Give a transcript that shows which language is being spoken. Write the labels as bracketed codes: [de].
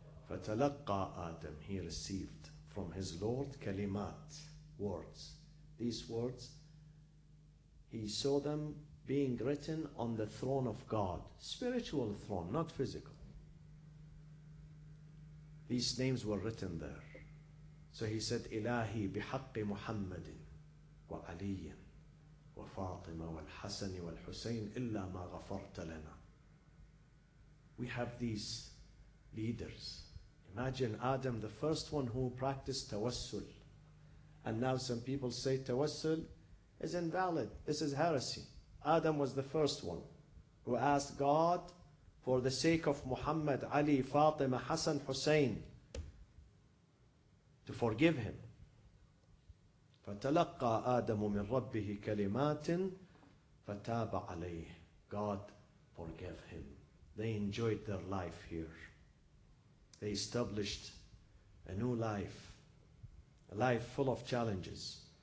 [en] فَتَلَقَّى Adam, he received from his Lord kalimat, words. These words, he saw them being written on the throne of God, spiritual throne, not physical. These names were written there. So he said, [ar] إِلَهِ بِحَقِّ مُحَمَّدٍ وَعَلِيٍ وَفَاطِمَ وَالْحَسَنِ وَالْحُسَيْنِ إِلَّا مَا غَفَرْتَ لَنَا. [en] We have these leaders. Imagine Adam, the first one who practiced tawassul. And now some people say tawassul is invalid. This is heresy. Adam was the first one who asked God for the sake of Muhammad, Ali, Fatima, Hassan, Hussein to forgive him. [ar] فتلقى آدم من ربه كلمات فتاب عليه. [en] God forgave him. They enjoyed their life here. They established a new life, a life full of challenges.